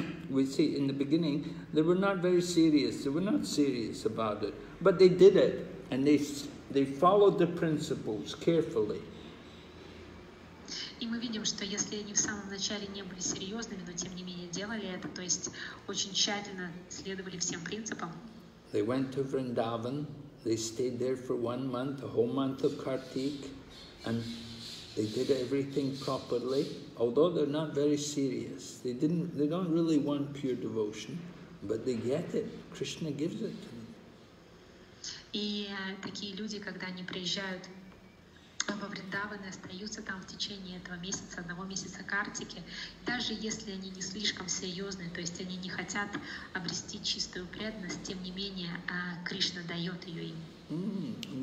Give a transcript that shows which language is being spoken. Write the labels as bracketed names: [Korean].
[English] We see in the beginning they were not very serious. They were not serious about it, but they did it, and they followed the principles carefully. [Russian] И мы видим, что если они в самом начале не были серьезными, но тем не менее делали это, то есть очень тщательно следовали всем принципам. [English] They went to Vrindavan, they stayed there for 1 month, a whole month of Kartik, and they did everything properly, although they're not very serious. They don't really want pure devotion, but they get it. Krishna gives it to them. [Russian] И такие люди, когда они приезжают во Вриндаваны, остаются там в течение этого месяца, одного месяца Картики, даже если они не слишком серьезны, то есть они не хотят обрести чистую преданность, тем не менее Кришна дает ее им.